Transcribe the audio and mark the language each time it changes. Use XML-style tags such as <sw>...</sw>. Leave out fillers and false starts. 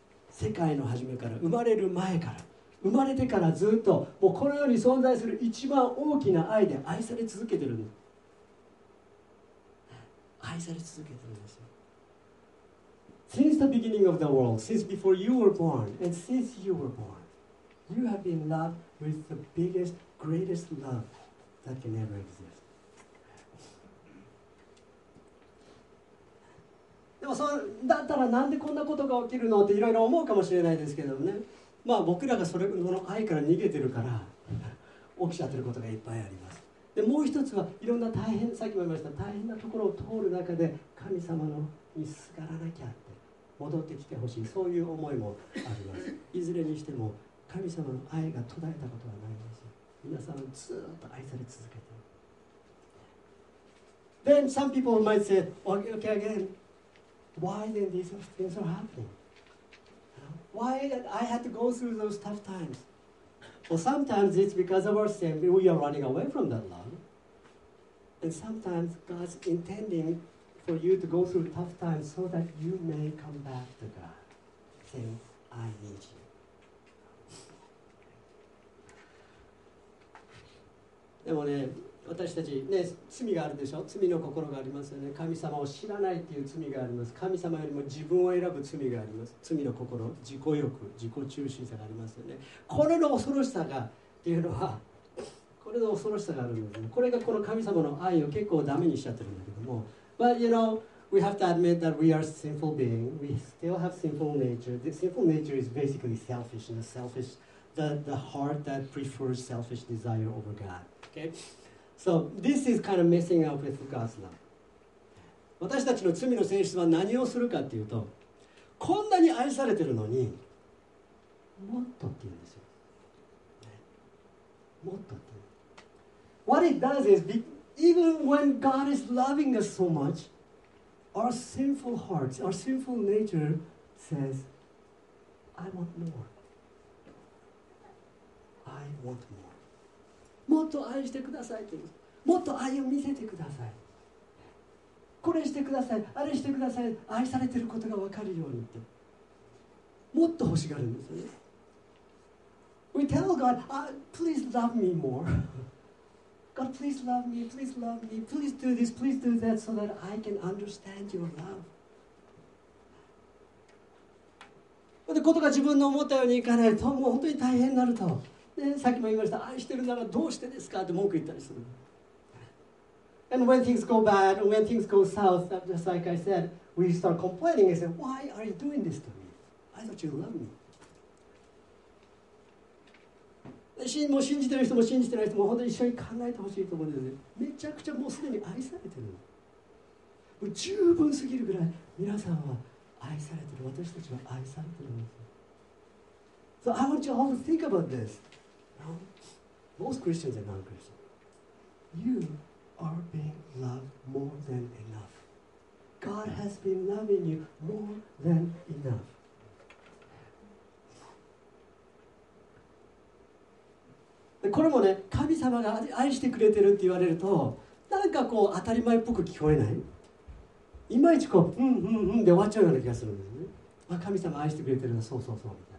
<ja>世界の初めから、生まれる前から、生まれてからずっと、もうこの世に存在する一番大きな愛で愛され続けてるんです。愛され続けてるんですよ。</ja> <en>Since the beginning of the world, since before you were born, and since you were born, you have been loved with the biggest,greatest love that can ever exist.</en> <ja>でもそだったらなんでこんなことが起きるのっていろいろ思うかもしれないですけどもね。まあ僕らがそれの愛から逃げてるから起きちゃってることがいっぱいあります。でもう一つはいろんな大変、さっきも言いました、大変なところを通る中で神様のにすがらなきゃって戻ってきてほしい、そういう思いもあります。いずれにしても神様の愛が途絶えたことはないんですよ。皆さんずっと愛され続けて。</ja> <en>Then some people might say, okay, again, why then these things are happening? Why that I had to go through those tough times? Well, sometimes it's because of our sin, we are running away from that love. And sometimes God's intending for you to go through tough times so that you may come back to God, saying, I need you.</en> <ja>でもね、私たちね、罪があるでしょ。罪の心がありますよね。神様を知らないっていう罪があります。神様よりも自分を選ぶ罪があります。罪の心、自己欲、自己中心さがありますよね。これの恐ろしさがっていうのは、これの恐ろしさがあるんですね。これがこの神様の愛を結構ダメにしちゃってるんだけども、</ja> <en>But you know, we have to admit that we are sinful being. We still have sinful nature. The sinful nature is basically selfishness. Selfish, the heart that prefers selfish desire over GodOkay. So this is kind of messing up with God's love.</en> <ja>私たちの罪の性質は何をするかっていうと、こんなに愛されてるのにもっとって言うんですよ。もっとって言う。</ja> <en>What it does is, even when God is loving us so much, our sinful hearts, our sinful nature says, I want more. I want more.</en> <ja>もっと愛してくださいって、もっと愛を見せてください、これしてください、あれしてください、愛されてることが分かるようにって、もっと欲しがるんですよね。</ja> <en>We tell God, please love me more. God, please love me, please love me, please do this, please do that, so that I can understand your love.</en> <ja>でことが自分の思ったようにいかないと、もう本当に大変になると、ね、さっきも言いました、愛してるならどうしてですかって文句言ったりする。</ja> <en>And when things go bad, when things go south, just like I said, we start complaining and say, why are you doing this to me? I thought you loved me.</en> <ja>もう信じてる人も信じてない人も本当に一緒に考えてほしいと思うんですよね。めちゃくちゃもうすでに愛されてる、もう十分すぎるぐらい皆さんは愛されてる、私たちは愛されてるんです。</ja> <en>So I want you all to think about this. Most Christians and non-Christians. You are being loved more than enough. God has been loving you more than enough.</en> <ja>でこれもね、神様が愛してくれてるって言われると、なんかこう当たり前っぽく聞こえない。いまいちこう、うんうんうんで終わっちゃうような気がするんですね。まあ、神様愛してくれてるの、そうそうそう。</ja>